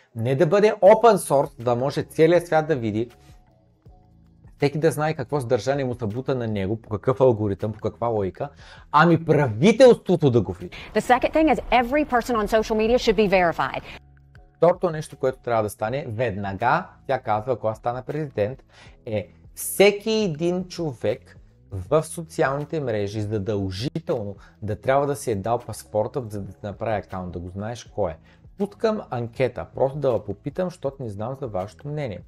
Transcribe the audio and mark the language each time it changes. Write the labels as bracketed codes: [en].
[bg] Не да бъде open source, да може целият свят да види, теки да знае какво съдържание му събута на него, по какъв алгоритъм, по каква логика, ами правителството да го види. [en] The second thing is every person on social media should be verified. [bg] Второто нещо, което трябва да стане веднага, тя казва, ако аз стана президент, е всеки един човек в социалните мрежи задължително да трябва да си е дал паспорта, за да направи акаунт, да го знаеш кой е. Пускам анкета, просто да попитам, защото не знам за вашето мнение.